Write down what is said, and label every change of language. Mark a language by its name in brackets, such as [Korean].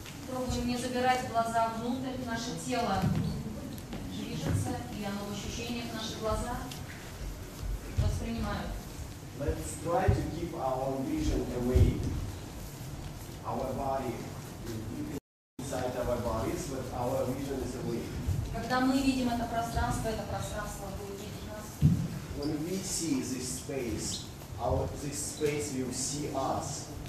[Russian] Пробуем не забирать глаза внутрь. Наше тело движется, и оно в ощущениях, наши глаза воспринимают. [English] Let's try to keep our vision away. Our body inside our bodies, but our vision is away. [Russian] Когда мы видим это пространство будет видеть нас. [English] When we see this space, this space will see us.